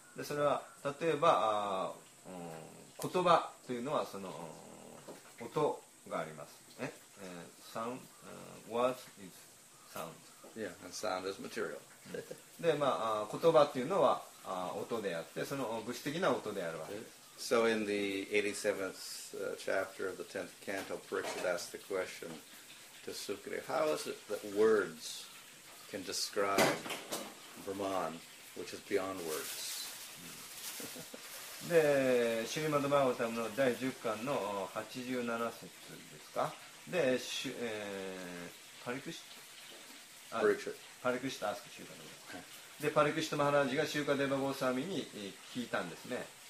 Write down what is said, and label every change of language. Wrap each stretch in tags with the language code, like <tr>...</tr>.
<ja>で、それは例えば言葉というのはその音があります。</ja> <en>え、sound. Words is sound. Yeah, and sound is material.</en> <ja>で、まあ、言葉っていうのは音であって、その物質的な音であるわけです。</ja> <en>So in the 87th chapter of the 10th canto, Parikshit asked the question to Sukadeva, how is it that words can describe Brahman, which is beyond words?</en> <ja>で、シュリマドバーガータムの第10巻の87節ですか。で、パリクシパリクシタ ask シューカデバ。で、パリクシタマハラジがシューカデバゴーサミに聞いたんですね。</ja>